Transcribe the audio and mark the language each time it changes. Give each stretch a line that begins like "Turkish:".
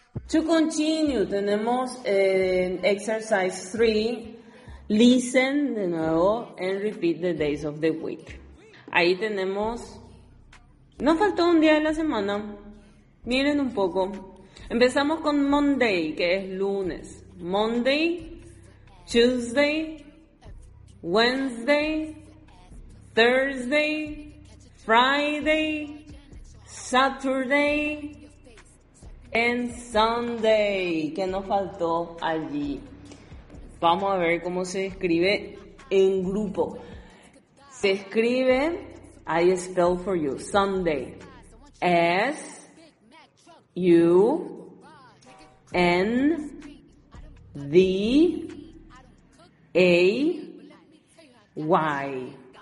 English: To continue, tenemos exercise 3, listen
Spanish: de nuevo
English: and repeat the days of the week.
Spanish: Ahí tenemos, no faltó un día de la semana, miren un poco. Empezamos con Monday, que es lunes.
English: Monday, Tuesday, Wednesday, Thursday, Friday, Saturday, and Sunday.
Spanish: ¿Qué nos faltó allí? Vamos a ver cómo se escribe en grupo. Se escribe,
English: I spell for you,
Spanish: Sunday.
English: S-U-N-D-A-Y.